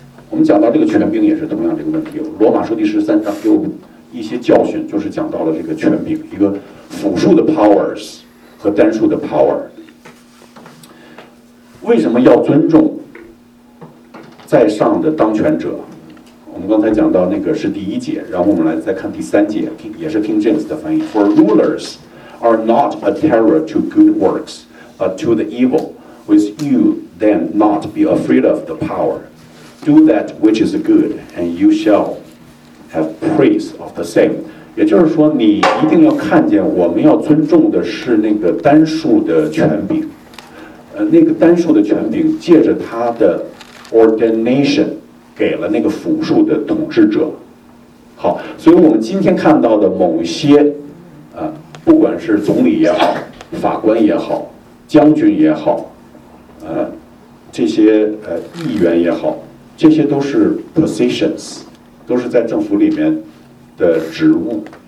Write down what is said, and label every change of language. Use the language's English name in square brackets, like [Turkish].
[Chinese] 我们讲到这个权柄也是同样这个问题，罗马书第十三章给我们一些教训，就是讲到了这个权柄，一个复数的 powers 和单数的 power。为什么要尊重在上的当权者？我们刚才讲到那个是第一节，然后我们来再看第三节，也是King James的翻译， [English] For rulers are not a terror to good works but to the evil, with you then not be afraid of the power, do that which is good and you shall have praise of the same。 [Chinese] 也就是说，你一定要看见我们要尊重的是那个单数的权柄，那个单数的权柄借着他的ordination 给了那个辅助的统治者。好，所以我们今天看到的某些不管是总理也好，法官也好，将军也好，这些议员也好，这些都是 positions， 都是在政府里面的职务。